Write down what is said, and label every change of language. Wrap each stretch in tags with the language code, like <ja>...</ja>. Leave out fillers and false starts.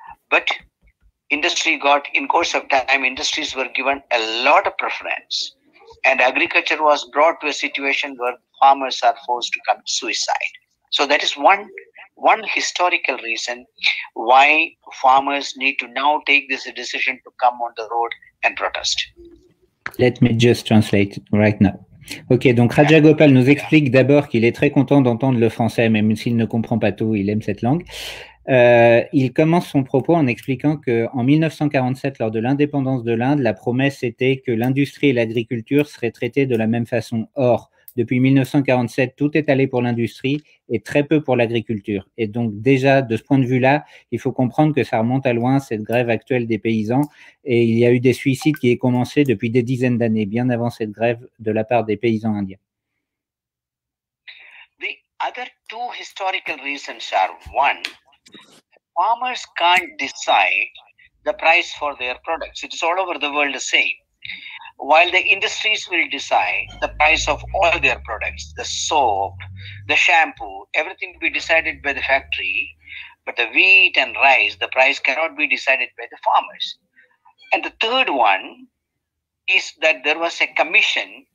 <en>But industries were given a lot of preference, and agriculture was brought to a situation where farmers are forced to commit suicide. So that is one historical reason why farmers need to now take this decision to come on the road and protest. Let me just translate right now.</en> <fr>Ok, donc Raja Gopal nous explique d'abord qu'il est très content d'entendre le français, même s'il ne comprend pas tout, il aime cette langue. Il commence son propos en expliquant qu'en 1947, lors de l'indépendance de l'Inde, la promesse était que l'industrie et l'agriculture seraient traitées de la même façon. Or, depuis 1947, tout est allé pour l'industrie et très peu pour l'agriculture. Et donc déjà, de ce point de vue-là, il faut comprendre que ça remonte à loin, cette grève actuelle des paysans. Et il y a eu des suicides qui ont commencé depuis des dizaines d'années, bien avant cette grève de la part des paysans indiens.</fr> <en>The other two historical reasons are, one, farmers can't decide the price for their products. It's all over the world the same. While the industries will decide the price of all their products, the soap, the shampoo, everything will be decided by the factory, but the wheat and rice, the price cannot be decided by the farmers. And the third one is that there was a commission</en>